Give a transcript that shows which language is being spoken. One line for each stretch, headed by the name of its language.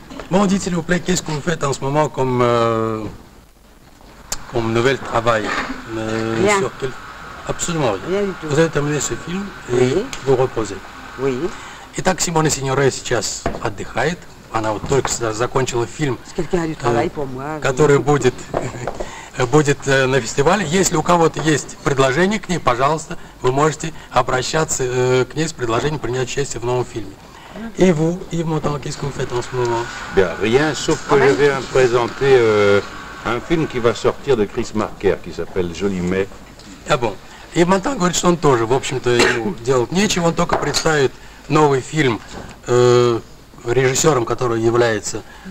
French: Bon, dites-le, s'il vous plaît, qu'est-ce que vous faites en ce moment comme, comme nouvel travail? Sur quel... Absolument rien. Rien du tout. Vous avez terminé ce film et oui. Vous reposez. Oui.
Russian: Итак, Симона Синьоре сейчас отдыхает. Она вот только закончила фильм, который будет на фестивале. Если у кого-то есть предложение к ней, пожалуйста, вы можете обращаться к ней с предложением принять участие в новом фильме. И вы,
French: Ив Монтан, qu'est-ce que vous faites en ce moment? Bien, rien, sauf que je vais présenter un film qui va sortir de Chris Marker, qui s'appelle Joli Mai. Ah bon.
Russian: Ив Монтан говорит, что он тоже, в общем-то, ему делать нечего, он только представит новый фильм режиссером, который является